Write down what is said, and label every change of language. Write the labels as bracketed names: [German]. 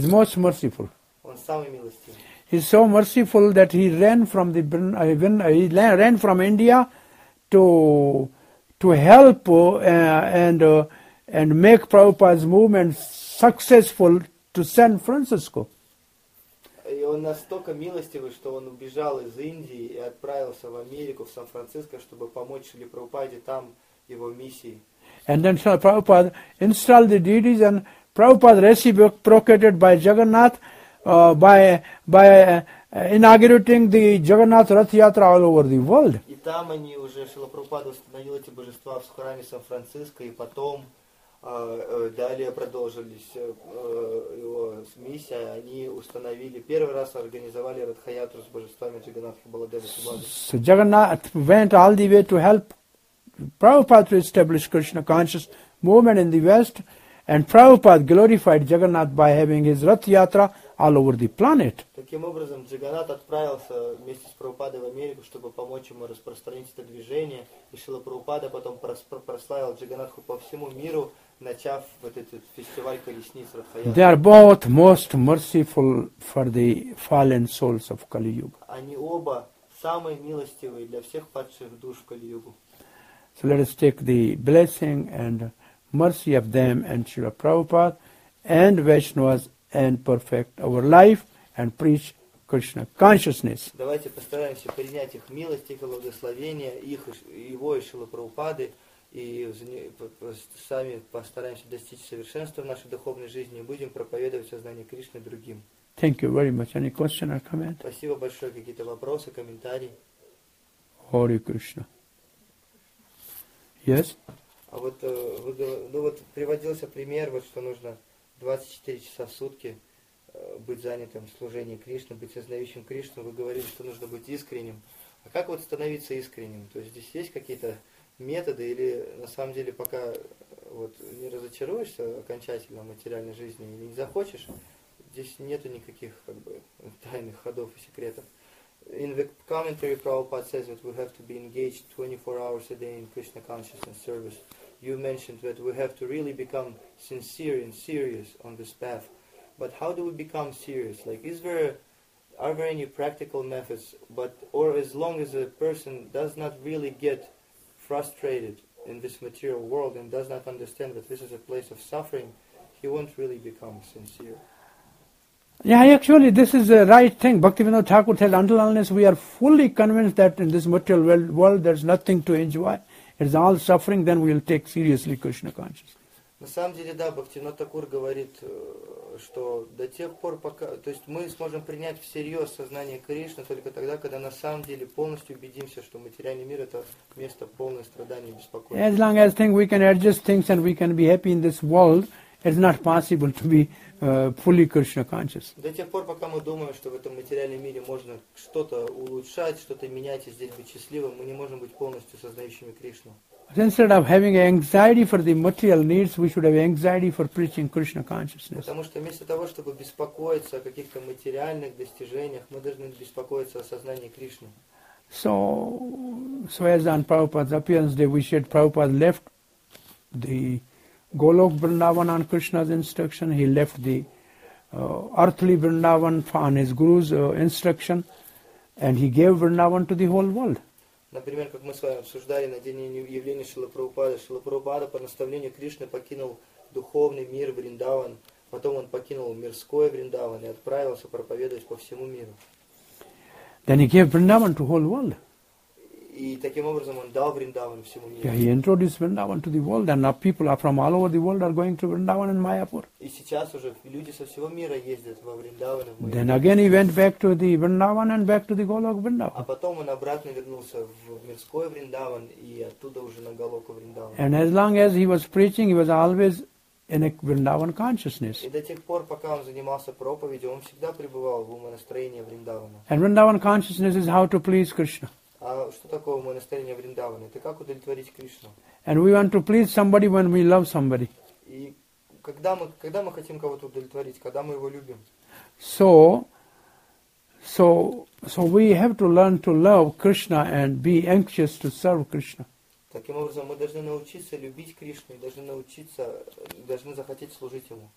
[English] He's most merciful. [Russian] Он самый милостивый. [English] He's so merciful that he ran from the ran from India to help and make Prabhupada's movement successful to San Francisco. [Russian] И он настолько милостивый, что он убежал из Индии и отправился в Америку, в Сан-Франциско, чтобы помочь Шри Прабхупаде там его миссии. [English] And then Shri Prabhupada installed the deities and Prabhupada received procreated by Jagannath by inaugurating the Jagannath Rath Yatra all over the world. [Russian] И там они уже Шри Прабхупада установил эти божества в храме Сан-Франциско и потом далее продолжились его миссия, они установили, первый раз организовали Радхаятру с божествами Джаганатха Баладева Субхады. [English] So Jagannath went all the way to help Prabhupada to establish Krishna conscious movement in the West, and Prabhupada glorified Jagannath by having his Rath Yatra all over the planet. [Russian] Таким образом, Джаганнат отправился вместе с Прабхупадой в Америку, чтобы помочь ему распространить это движение, и Шрила Прабхупада потом прославил Джаганнатху по всему миру, начав вот этот фестиваль колесниц Радхаятры. [English] They are both most merciful for the fallen souls of Kali-Yuga. [Russian] Они оба самые милостивые для всех падших душ в Кали-Югу. [English] So let us take the blessing and mercy of them and Shrila Prabhupada and Vaishnavas and perfect our life and preach Krishna consciousness. [Russian] Давайте постараемся принять их милость, их благословение, их его и Шрила Прабхупады, и сами постараемся достичь совершенства в нашей духовной жизни и будем проповедовать сознание Кришны другим. [English] Thank you very much. Any question or comment? [Russian] Спасибо большое. Какие-то вопросы, комментарии? [English] Hare Krishna. Yes? [Russian] А вот вы, ну вот приводился пример, вот что нужно 24 часа в сутки быть занятым служением Кришны, быть сознающим Кришну. Вы говорили, что нужно быть искренним. А как вот становиться искренним? То есть здесь есть какие-то методы, или на самом деле пока вот не разочаруешься окончательно в материальной жизни или не захочешь, здесь нету никаких как бы тайных ходов и секретов. [English] In the commentary, Prabhupada says that we have to be engaged 24 hours a day in Krishna consciousness service. You mentioned that we have to really become sincere and serious on this path. But how do we become serious? Like, are there any practical methods? But or as long as a person does not really get frustrated in this material world and does not understand that this is a place of suffering, he won't really become sincere. Yeah, actually, this is the right thing. Bhaktivinoda Thakur said, until unless we are fully convinced that in this material world there's nothing to enjoy, it's all suffering, then we'll take seriously Krishna consciousness. [Russian] На самом деле, да, Бхактивинода Такур говорит, что до тех пор, пока, то есть мы сможем принять всерьез сознание Кришны только тогда, когда на самом деле полностью убедимся, что материальный мир это место полное страдания и беспокойства. [English] As long as we can adjust things and we can be happy in this world, it's not possible to be fully Krishna conscious. [Russian] До тех пор, пока мы думаем, что в этом материальном мире можно что-то улучшать, что-то менять и здесь быть счастливым, мы не можем быть полностью сознающими Кришну. [English] Instead of having anxiety for the material needs, we should have anxiety for preaching Krishna consciousness. [Russian] Потому что вместо того, чтобы беспокоиться о каких-то материальных достижениях, мы должны беспокоиться о сознании Кришны. [English] So as on Prabhupada's appearance day, we said Prabhupada left the Golok Vrindavan on Krishna's instruction. He left the earthly Vrindavan on his Guru's instruction, and he gave Vrindavan to the whole world. [Russian] Например, как мы с вами обсуждали на день явления Шрилы Прабхупады. Шрила Прабхупада по наставлению Кришны покинул духовный мир Вриндаван, потом он покинул мирской Вриндаван и отправился проповедовать по всему миру. [English] Then he gave Vrindavan to whole world. [Russian] И таким образом он дал Вриндаван всему миру. [English] Yeah, he introduced Vrindavan to the world, and now people are from all over the world are going to Vrindavan and Mayapur. [Russian] И сейчас уже люди со всего мира ездят во Вриндаван. [English] Then again he went back to the Vrindavan and back to the Golok Vrindavan. [Russian] А потом он обратно вернулся в мирской Вриндаван и оттуда уже на Голоку Вриндаван. [English] And as long as he was preaching, he was always in a Vrindavan consciousness. [Russian] И до тех пор, пока он занимался проповедью, он всегда пребывал в умонастроении Вриндавана. [English] And Vrindavan consciousness is how to please Krishna. [Russian] А что такое умонастроение Вриндавана? Это как удовлетворить Кришну. [English] And we want to please somebody when we love somebody. [Russian] И когда мы хотим кого-то удовлетворить, когда мы его любим. [English] So we have to learn to love Krishna and be anxious to serve Krishna. [Russian] Таким образом, мы должны научиться любить Кришну и должны научиться, должны захотеть служить Ему.